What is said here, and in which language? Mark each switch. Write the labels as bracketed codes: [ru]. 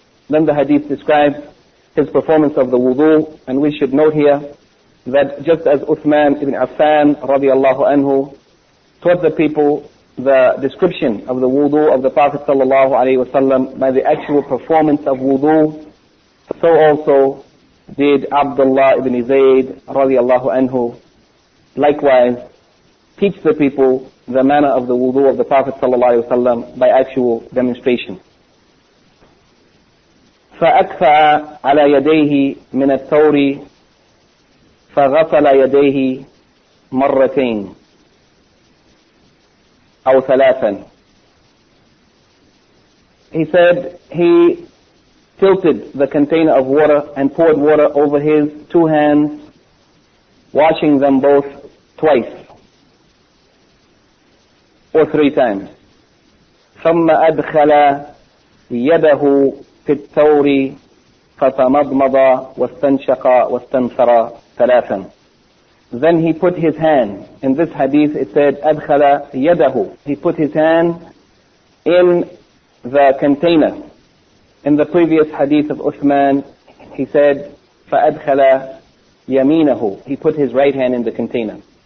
[en] Then the hadith describes his performance of the wudu, and we should note here that just as Uthman ibn Affan radiallahu anhu taught the people the description of the wudu of the Prophet sallallahu alayhi wasallam by the actual performance of wudu, so also did Abdullah ibn Zayd radiallahu anhu likewise teach the people the manner of the wudu of the Prophet sallallahu alayhi wasallam by actual demonstration. [ar] فَأَكْفَأَ عَلَى يَدَيْهِ مِنَ الثَّوْرِ فغسل يديه مرتين أو ثلاثا. [en] He said he tilted the container of water and poured water over his two hands, washing them both twice or three times. [ar] ثم أدخل يده في الثور فتمضمض واستنشق واستنثر ثلاثا. [en] Then he put his hand, in this hadith it said [ar] أدخل يده, [en] he put his hand in the container. In the previous hadith of Uthman he said [ar] فأدخل يمينه, [en] he put his right hand in the container.